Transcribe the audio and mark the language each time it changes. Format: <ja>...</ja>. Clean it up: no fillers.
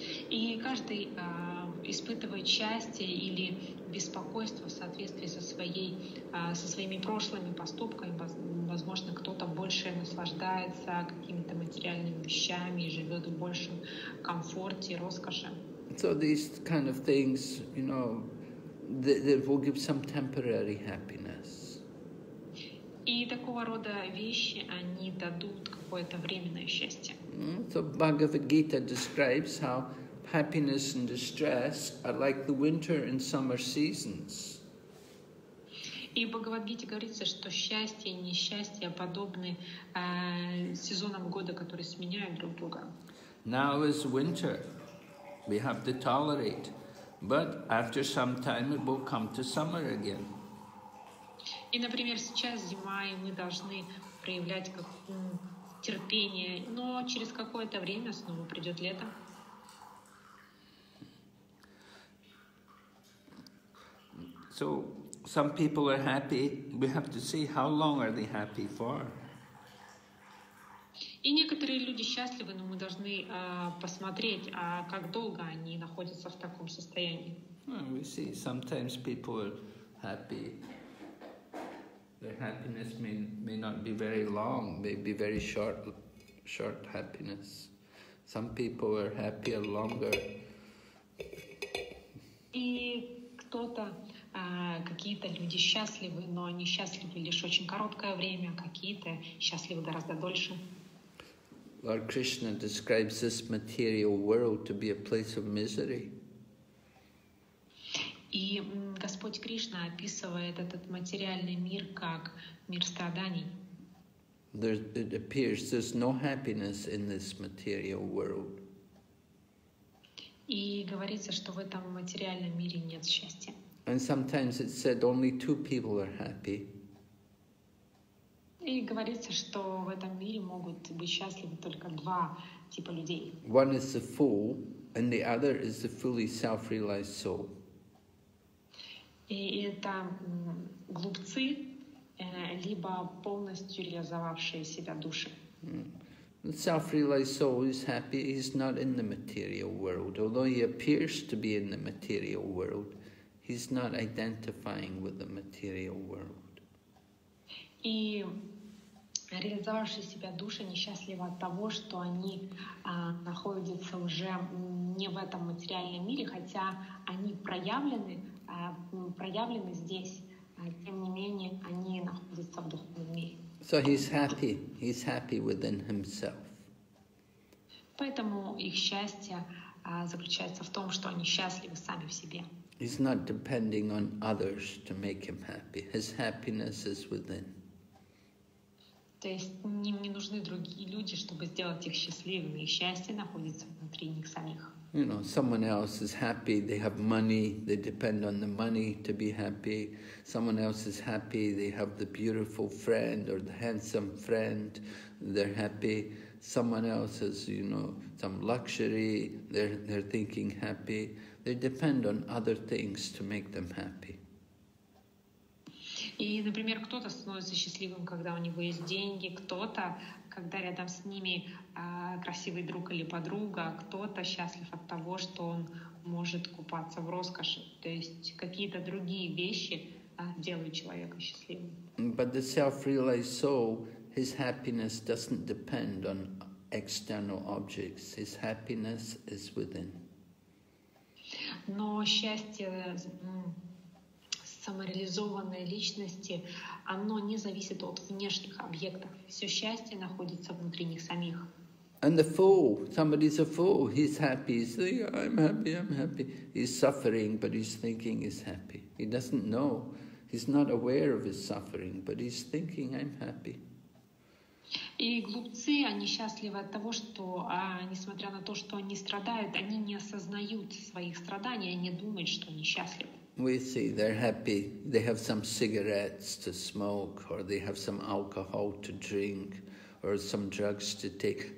<ru>И каждый испытывает счастье или беспокойство в соответствии со своими прошлыми поступками. Возможно, кто-то больше наслаждается какими-то материальными вещами и живет в большем комфорте, роскоши.</ru> <en>So these kind of things, you know, they will give some temporary happiness.</en> <ru>И такого рода вещи, они дадут какое-то временное счастье.</ru> <en>So Bhagavad Gita describes how happiness and distress are like the winter and summer seasons.</en> <ru>И в Бхагавад Гите говорится, что счастье и несчастье подобны сезонам года, которые сменяют друг друга.</ru> <en>Now is winter. We have to tolerate. But after some time it will come to summer again.</en> <ru>И, например, сейчас зима, и мы должны проявлять терпение, но через какое-то время снова придет лето.</ru> <en>So some people are happy. We have to see how long are they happy for.</en> <ru>И некоторые люди счастливы, но мы должны посмотреть, а как долго они находятся в таком состоянии.</ru> <en>Well, we see sometimes people are happy. Their happiness may not be very long, may be very short happiness. Some people are happier longer.</en> <ru>И кто-то, какие-то люди счастливы, но они счастливы лишь очень короткое время, какие-то счастливы гораздо дольше.</ru> <en>Lord Krishna describes this material world to be a place of misery.</en> <ru>И Господь Кришна описывает этот материальный мир как мир страданий.</ru> <en>It appears there's no happiness in this material world.</en> <ru>И говорится, что в этом материальном мире нет счастья.</ru> <en>And sometimes it's said only two people are happy.</en> <ru>И говорится, что в этом мире могут быть счастливы только два типа людей.</ru> <en>One is the fool, and the other is the fully self-realized soul.</en> <ru>И это глупцы, либо полностью реализовавшие себя души.</ru> <en>The self-realized soul is happy. He's not in the material world. Although he appears to be in the material world, he's not identifying with the material world.</en> <ru>И реализовавшие себя души несчастливы от того, что они находятся уже не в этом материальном мире, хотя они проявлены здесь, тем не менее они находятся в духовном мире.</ru> <en>So he's happy within himself.</en> <ru>Поэтому их счастье заключается в том, что они счастливы сами в себе.</ru> <en>He's not depending on others to make him happy. His happiness is within.</en> <ru>То есть им не нужны другие люди, чтобы сделать их счастливыми. Их счастье находится внутри них самих.</ru> <en>You know, someone else is happy, they have money, they depend on the money to be happy. Someone else is happy, they have the beautiful friend or the handsome friend, they're happy. Someone else has, you know, some luxury, they're thinking happy. They depend on other things to make them happy.</en> <ru>И, например, кто-то становится счастливым, когда у него есть деньги, кто-то, когда рядом с ними красивый друг или подруга, кто-то счастлив от того, что он может купаться в роскоши. То есть какие-то другие вещи делают человека счастливым.</ru> <en>But the self-realized soul, his happiness doesn't depend on external objects. His happiness is within.</en> <ru>Но счастье самореализованной личности, оно не зависит от внешних объектов. Все счастье находится внутри них самих.</ru> <en>And the fool, somebody's a fool, he's happy, he's thinking, I'm happy. He's suffering, but he's thinking he's happy. He doesn't know, he's not aware of his suffering, but he's thinking I'm happy.</en> <ru>И глупцы, они счастливы от того, что, несмотря на то, что они страдают, они не осознают своих страданий, они думают, что они счастливы.</ru> <en>We see they're happy. They have some cigarettes to smoke, or they have some alcohol to drink, or some drugs to take.</en>